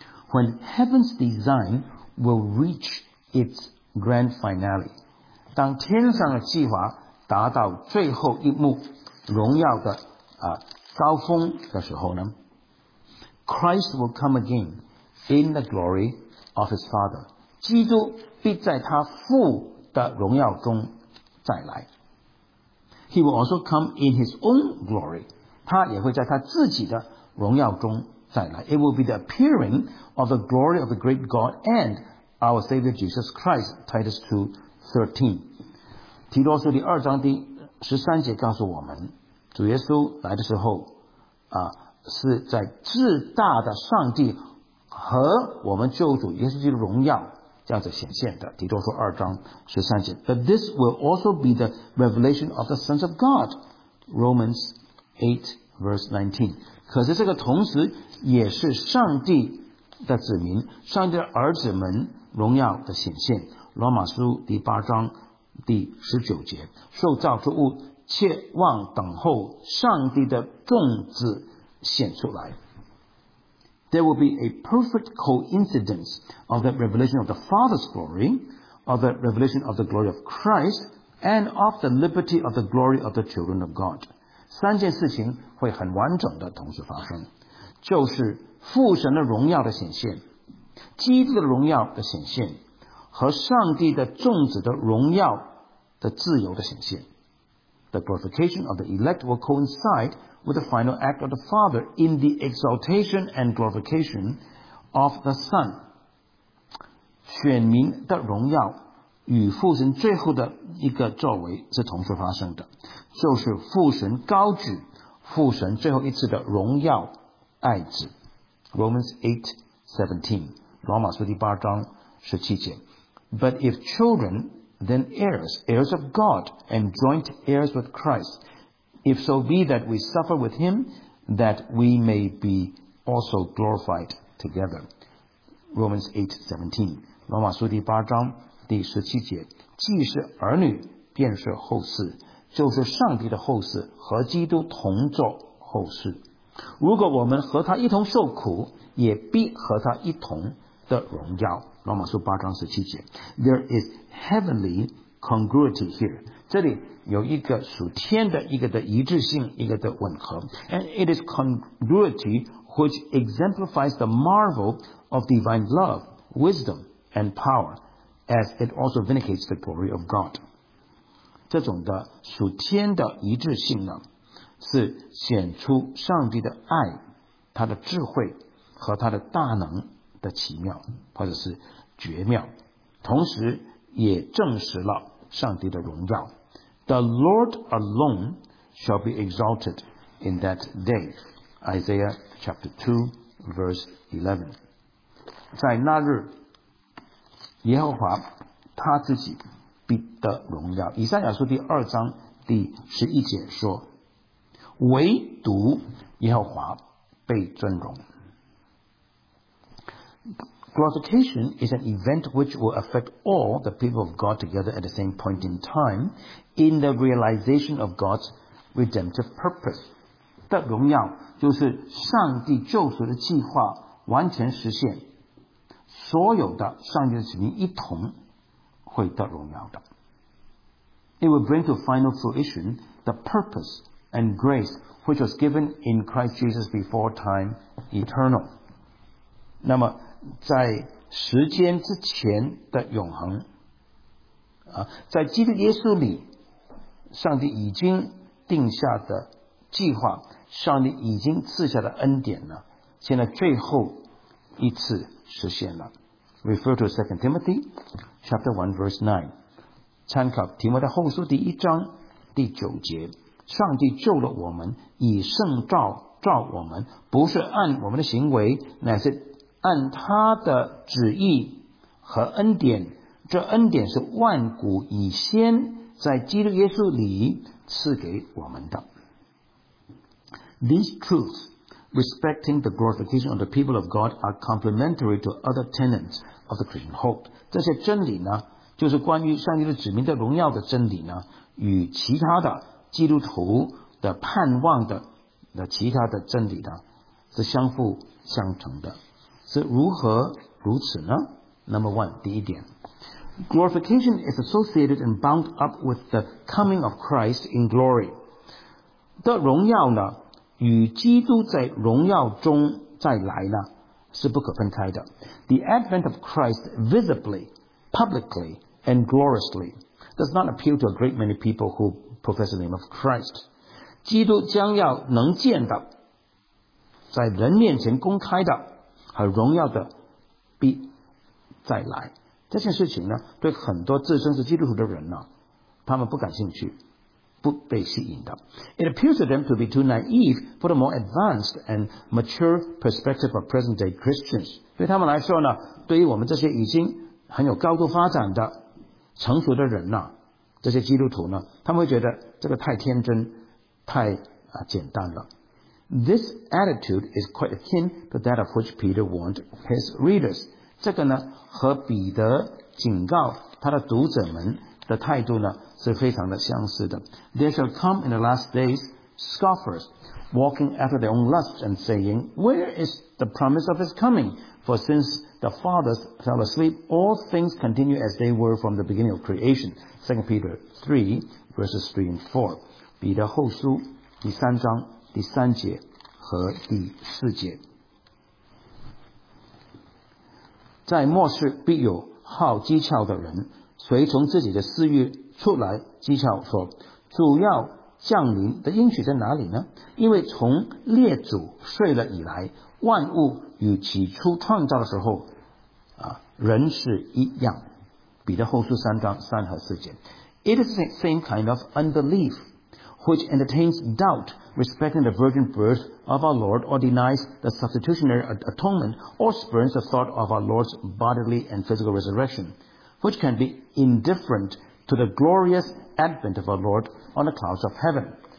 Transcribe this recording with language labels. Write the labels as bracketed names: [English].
[English] When heaven's design will reach its grand finale， [Chinese] 当天上的计划达到最后一幕荣耀的高峰的时候呢， [English] Christ will come again in the glory of his Father， [Chinese] 基督必在他父的荣耀中再来。 [English] He will also come in his own glory， [Chinese] 他也会在他自己的荣耀中再来。 [English] It will be the appearing of the glory of the great God and our Savior Jesus Christ， Titus 2:13。 [Chinese] 提多书第二章第十三节告诉我们，主耶稣来的时候是在至大的上帝和我们救主耶稣基督的荣耀这样子显现的。提多书二章十三节， [English] But this will also be the revelation of the sons of God， Romans 8:19。 [Chinese] 可是这个同时也是上帝的子民，上帝的儿子们荣耀的显现。罗马书第八章第十九节，受造之物切望等候上帝的众子显出来。 [English] There will be a perfect coincidence of the revelation of the Father's glory, of the revelation of the glory of Christ, and of the liberty of the glory of the children of God. [Chinese] 三件事情会很完整的同时发生，就是父神的荣耀的显现，基督的荣耀的显现，和上帝的众子的荣耀的自由的显现。 [English] The glorification of the elect will coincide with the final act of the Father in the exaltation and glorification of the Son. [Chinese] 选民的荣耀与父神最后的一个作为是同时发生的，就是父神高举父神最后一次的荣耀爱子。 [English] Romans 8:17， [Chinese] 罗马书第八章十七节。 [English] But if children, then heirs, heirs of God, and joint heirs with Christ, if so be that we suffer with him, that we may be also glorified together. [Chinese] Romans 8:17， 罗马书第八章第十七节。既是儿女，便是后嗣，就是上帝的后嗣，和基督同作后嗣。如果我们和他一同受苦，也必和他一同的荣耀。罗马书八章十七节。 [English] There is heavenly congruity here， [Chinese] 这里有一个属天的一个的一致性，一个的吻合。 [English] And it is congruity which exemplifies the marvel of divine love, wisdom and power, as it also vindicates the glory of God。 [Chinese] 这种的属天的一致性呢，是显出上帝的爱，他的智慧和他的大能的奇妙或者是绝妙，同时也证实了上帝的荣耀。 [English] The Lord alone shall be exalted in that day， Isaiah chapter 2 verse 11。 [Chinese] 在那日耶和华他自己必得荣耀。以赛亚书第二章第十一节说，唯独耶和华被尊荣。 [English] Glorification is an event which will affect all the people of God together at the same point in time in the realization of God's redemptive purpose. [Chinese] 的荣耀就是上帝救赎的计划完全实现，所有的上帝的子民一同会得荣耀的。 [English] It will bring to final fruition the purpose and grace which was given in Christ Jesus before time eternal. [Chinese] 那么在时间之前的永恒在基督耶稣里，上帝已经定下的计划，上帝已经赐下的恩典呢，现在最后一次实现了。 Refer to 2 Timothy chapter 1 verse 9，参考提摩太后书第一章第九节。上帝救了我们，以圣召召我们，不是按我们的行为，乃是按他的旨意和恩典，这恩典是万古以先在基督耶稣里赐给我们的。 [English] These truths respecting the glorification of the people of God are complementary to other tenets of the Christian hope. [Chinese] 这些真理呢，就是关于上帝的子民的荣耀的真理呢，与其他的基督徒的盼望的其他的真理呢，是相互相成的。是如何如此呢？ [English] Number one， [Chinese] 第一点， [English] Glorification is associated and bound up with the coming of Christ in glory。 [Chinese] 的荣耀呢，与基督在荣耀中再来呢，是不可分开的。 [English] The advent of Christ visibly, publicly and gloriously does not appeal to a great many people who profess the name of Christ。 [Chinese] 基督将要能见的，在人面前公开的和荣耀的必再来，这件事情呢，对很多自称是基督徒的人呢，他们不感兴趣，不被吸引的。 [English] It appears to them to be too naive for the more advanced and mature perspective of present day Christians。 [Chinese] 对他们来说呢，对于我们这些已经很有高度发展的成熟的人呢，这些基督徒呢，他们会觉得这个太天真太简单了。 [English] This attitude is quite akin to that of which Peter warned his readers。 [Chinese] 这个呢，和彼得警告他的读者们的态度呢，是非常的相似的。 [English] There shall come in the last days scoffers walking after their own lusts and saying, Where is the promise of his coming? For since the fathers fell asleep, all things continue as they were from the beginning of creation。 2 Peter 3 verses 3 and 4。 [Chinese] 彼得后书第三章第三节和第四节，在末世必有好讥诮的人，随从自己的私欲出来讥诮说，主要降临的应许在哪里呢？因为从列祖睡了以来，万物与起初创造的时候人是一样。彼得后书三章三和四节。 [English] It is the same kind of unbelief which entertains doubtrespecting the virgin birth of our Lord, or denies the substitutionary atonement, or spurns the thought of our Lord's bodily and physical resurrection, which can be indifferent to the glorious advent of our Lord on the clouds of heaven。